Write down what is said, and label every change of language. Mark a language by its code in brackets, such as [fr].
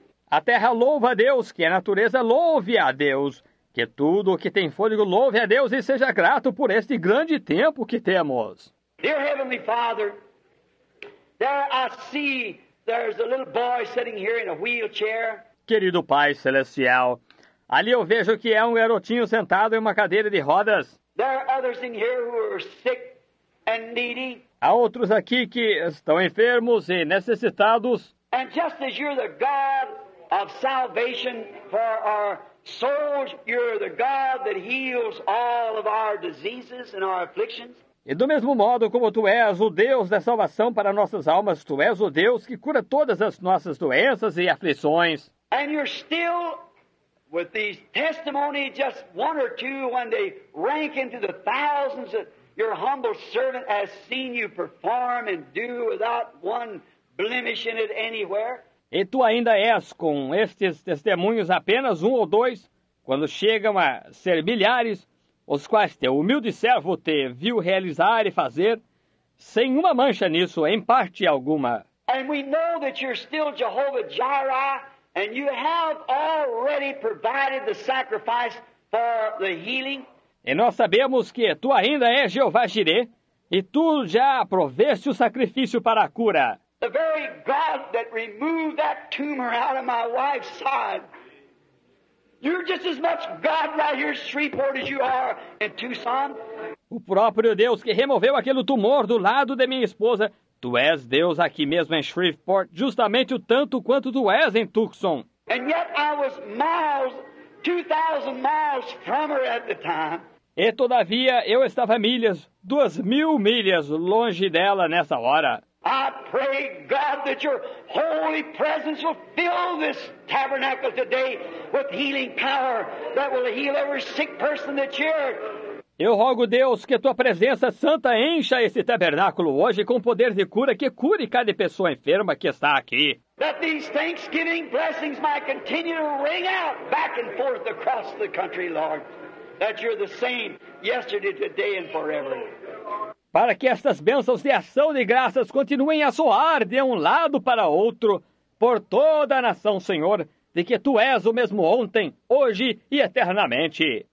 [pt] A terra louva a Deus, que a natureza louve a Deus. Que tudo o que tem fôlego louve a Deus e seja grato por este grande tempo que temos. [en] Dear Heavenly Father, there I see there's a little boy sitting here in a wheelchair. [pt] Querido Pai Celestial, ali eu vejo que é um garotinho sentado em uma cadeira de rodas. [en] There are others in here who are sick and needy. [pt] Há outros aqui que estão enfermos e necessitados. [en] And just as you're the God of salvation for our souls, you're the God that heals all of our diseases and our afflictions. [pt] E do mesmo modo como tu és o Deus da salvação para nossas almas, tu és o Deus que cura todas as nossas doenças e aflições. [en] And you're still with these testimony, just one or two when they rank into the thousands that your humble servant has seen you perform and do without one blemish in it anywhere. [pt] E tu ainda és com estes testemunhos apenas um ou dois, quando chegam a ser milhares, os quais teu humilde servo te viu realizar e fazer, sem uma mancha nisso, em parte alguma. [en] And we know that you're still Jehovah Jireh, and you have already provided the sacrifice for the healing. [pt] E nós sabemos que tu ainda és Jeová Jireh, e tu já proveste o sacrifício para a cura. [en] The very God that removed that tumor out of my wife's side. You're just as much God right here in Shreveport as you are in Tucson. [pt] O próprio Deus que removeu aquele tumor do lado da minha esposa, tu és Deus aqui mesmo em Shreveport, justamente o tanto quanto tu és em Tucson. [en] And yet I was miles, 2,000 miles from her at the time. [pt] E todavia eu estava milhas, 2,000 milhas longe dela nessa hora. [en] I pray, God, that your holy presence will fill this tabernacle today with healing power that will heal every sick person that's here. [pt] Eu rogo, Deus, que a tua presença santa encha esse tabernáculo hoje com poder de cura que cure cada pessoa enferma que está aqui. [en] That these Thanksgiving blessings might continue to ring out back and forth across the country, Lord. that you're the same yesterday, today and forever. [pt] Para que estas bênçãos de ação de graças continuem a soar de um lado para outro, por toda a nação, Senhor, de que Tu és o mesmo ontem, hoje e eternamente.